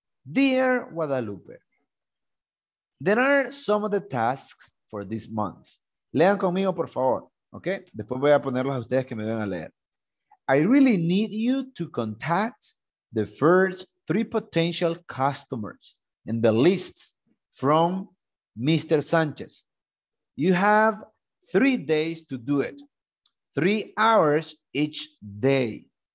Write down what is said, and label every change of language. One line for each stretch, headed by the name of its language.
English: Dear Guadalupe, there are some of the tasks for this month.
Spanish: Lean conmigo, por favor. ¿Ok? Después voy a ponerlos a ustedes que me vayan a leer.
English: I really need you to contact the first 3 potential customers in the list from Mr. Sanchez. You have 3 days to do it. 3 hours each day.